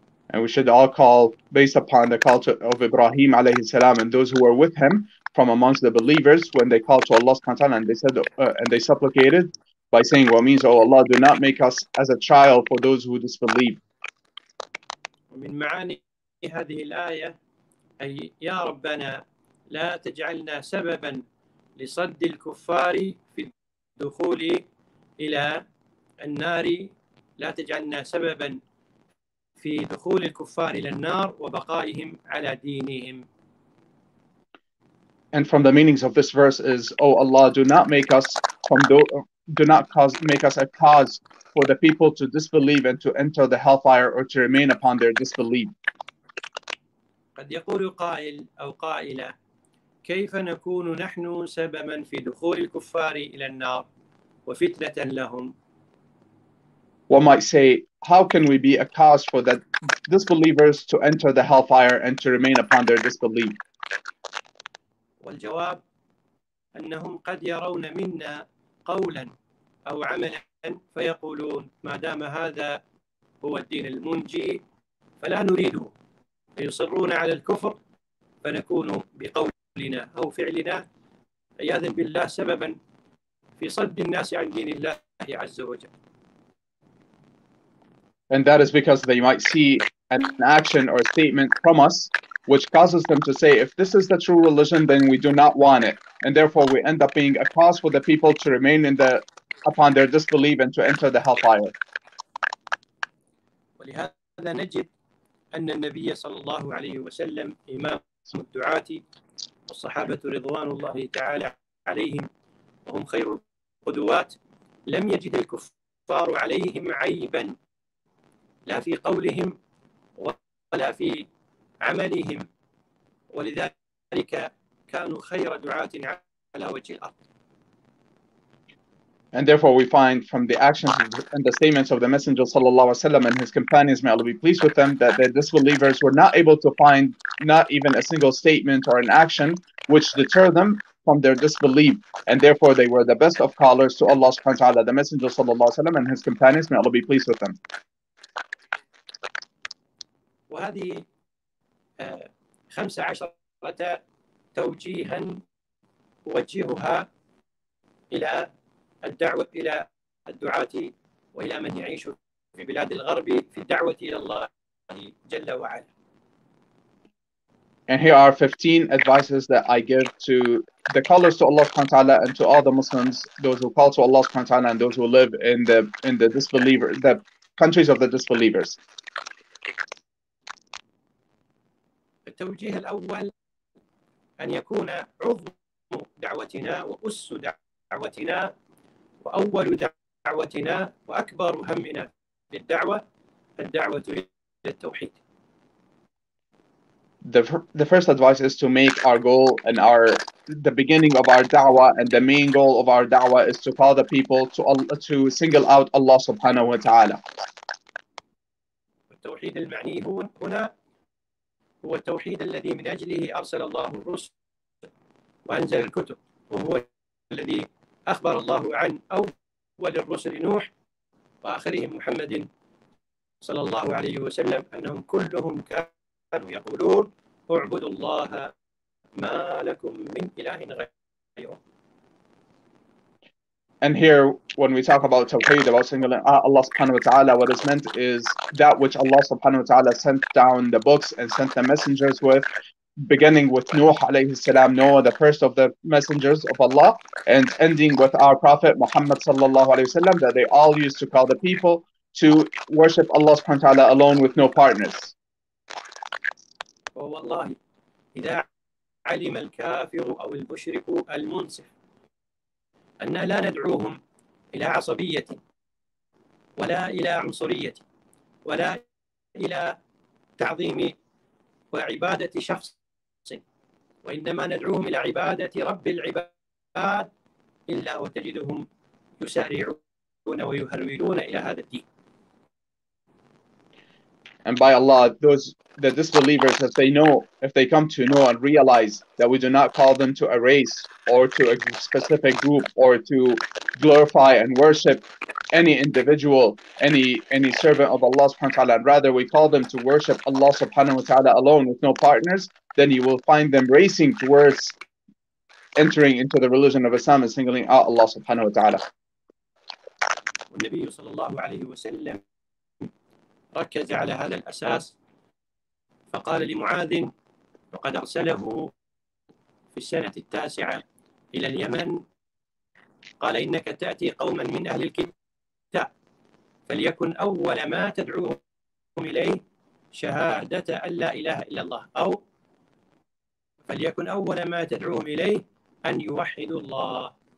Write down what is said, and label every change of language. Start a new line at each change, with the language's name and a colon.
English: And we should all call based upon the call of Ibrahim alayhi salam and those who were with him from amongst the believers when they called to Allah subhanahu wa ta'ala, and they said and they supplicated by saying, what means, oh Allah, do not make us as a child for those who disbelieve.
Arabic: ومن معاني هذه الآية أي يا ربنا لا تجعلنا سببا لصد الكفار في الدخول إلى النار، لا تجعلنا سببا في دخول الكفار إلى النار وبقائهم على دينهم.
English: And from the meanings of this verse is, O Allah, do not make us from those do not cause make us a cause for the people to disbelieve and to enter the hellfire or to remain upon their disbelief.
Arabic: قد يقول قائل أو قائلة كيف نكون نحن سببا في دخول الكفار إلى النار وفتنة لهم؟
English: One might say, how can we be a cause for the disbelievers to enter the hellfire and to remain upon their disbelief?
Arabic: والجواب أنهم قد يرون منا قولا أو عملا فيقولون ما دام هذا هو الدين المنجي فلا نريده فيصرون على الكفر فنكون بقولنا أو فعلنا عياذا بالله سببا في صد الناس عن دين الله عز وجل.
English: And that is because they might see an action or a statement from us which causes them to say, if this is the true religion, then we do not want it. And therefore, we end up being a cause for the people to remain in the upon their disbelief and to enter the hellfire.
Arabic: ولهذا نجد أن النبي صلى الله عليه وسلم إمام الدعاة والصحابة رضوان الله تعالى عليهم وهم خير القدوات لم يجد الكفار عليهم عيبا لا في قولهم ولا في عملهم ولذلك كانوا خير دعاة على وجه الأرض.
English: And therefore we find from the actions and the statements of the Messenger sallallahu alaihi wasallam and his companions, may Allah be pleased with them, that the disbelievers were not able to find not even a single statement or an action which deter them from their disbelief. And therefore they were the best of callers to Allah subhanahu wa ta'ala, the Messenger sallallahu alaihi wasallam and his companions, may Allah be pleased with them.
Arabic: الدعوة إلى الدعاة وإلى من يعيش في بلاد الغرب في الدعوة إلى الله جل وعلا.
English: And here are 15 advices that I give to the callers to Allah subhanahu wa ta'ala and to all the Muslims, those who call to Allah subhanahu wa ta'ala and those who live in the disbeliever, the countries of the disbelievers.
Arabic: التوجيه الأول أن يكون عظم دعوتنا وأس دعوتنا وأول دعوتنا وأكبر همنا بالدعوة الدعوة إلى التوحيد.
English: The first advice is to make our goal and the beginning of our da'wah, and the main goal of our da'wah is to call the people to single out Allah subhanahu wa ta'ala.
Arabic: التوحيد المعني هنا هو التوحيد الذي من أجله أرسل الله الرسل وأنزل الكتب وهو الذي أخبر الله عن أول الرسل نوح وآخرهم محمد صلى الله عليه وسلم أنهم كلهم كانوا يقولون اعبدوا الله ما لكم من إله غيره.
English: And here, when we talk about Tawheed, about singling out Allah subhanahu wa ta'ala, what is meant is that which Allah subhanahu wa ta'ala sent down the books and sent the messengers with, beginning with Nuh alayhi salam, Noah, the first of the messengers of Allah, and ending with our Prophet Muhammad sallallahu alayhi wasallam, that they all used to call the people to worship Allah subhanahu wa ta'ala alone with no partners.
Arabic: أن لا ندعوهم إلى عصبية ولا إلى عنصرية ولا إلى تعظيم وعبادة شخص وإنما ندعوهم إلى عبادة رب العباد إلا وتجدهم يسارعون ويهرولون إلى هذا الدين.
English: And by Allah, the disbelievers, if they know, if they come to know and realize that we do not call them to a race or to a specific group or to glorify and worship any individual, any servant of Allah subhanahu wa ta'ala, and rather we call them to worship Allah subhanahu wa ta'ala alone with no partners, then you will find them racing towards entering into the religion of Islam and singling out Allah subhanahu wa ta'ala.
Arabic: ركز على هذا الأساس فقال لمعاذ وقد أرسله في السنة التاسعة إلى اليمن قال إنك تأتي قوما من أهل الكتاب فليكن أول ما تدعوهم إليه شهادة أن لا إله إلا الله أو فليكن أول ما تدعوهم إليه أن يوحدوا الله.